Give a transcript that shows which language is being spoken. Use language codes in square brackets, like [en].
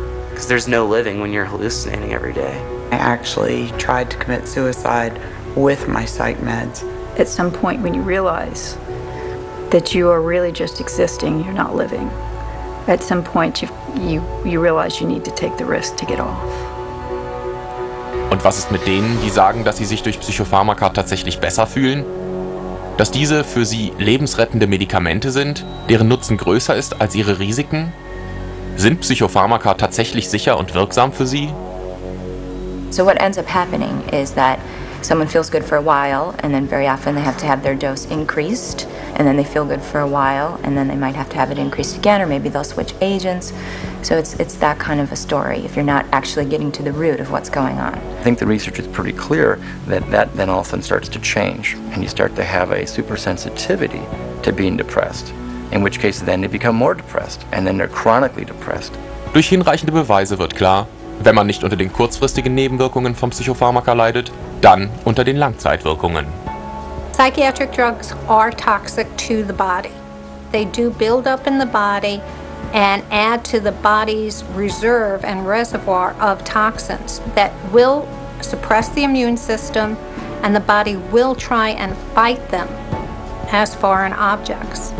[en] Because there's no living when you're hallucinating every day. I actually tried to commit suicide with my psych meds. At some point when you realize that you are really just existing, you're not living. At some point you realize you need to take the risk to get off. [de] Und was ist mit denen, die sagen, dass sie sich durch Psychopharmaka tatsächlich besser fühlen? Dass diese für sie lebensrettende Medikamente sind, deren Nutzen größer ist als ihre Risiken? Sind Psychopharmaka tatsächlich sicher und wirksam für sie? [en] So what ends up happening is that someone feels good for a while and then very often they have to have their dose increased and then they feel good for a while and then they might have to have it increased again or maybe they'll switch agents. So it's that kind of a story if you're not actually getting to the root of what's going on. I think the research is pretty clear that that then all of a sudden starts to change and you start to have a supersensitivity to being depressed, in which case then they become more depressed and then they're chronically depressed. [de] Durch hinreichende Beweise wird klar, wenn man nicht unter den kurzfristigen Nebenwirkungen vom Psychopharmaka leidet, dann unter den Langzeitwirkungen. [en] Psychiatric drugs are toxic to the body. They do build up in the body and add to the body's reserve and reservoir of toxins that will suppress the immune system and the body will try and fight them as foreign objects.